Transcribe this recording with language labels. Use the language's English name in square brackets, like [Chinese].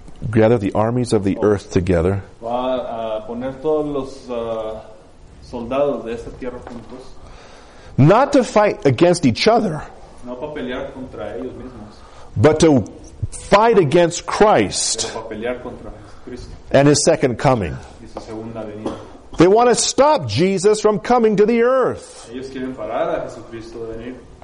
[English] gather the armies of the earth together. [Spanish] Va a poner todos los soldados de esta tierra juntos. [English] Not to fight against each other. [Spanish] No para pelear contra ellos mismos. [English] But to fight against Christ. [Spanish] Pero para pelear contra Cristo. [English] And his second coming. [Spanish] Y su segunda venida. [English] They want to stop Jesus from coming to the earth. [Spanish] Ellos quieren parar a Jesucristo de venir.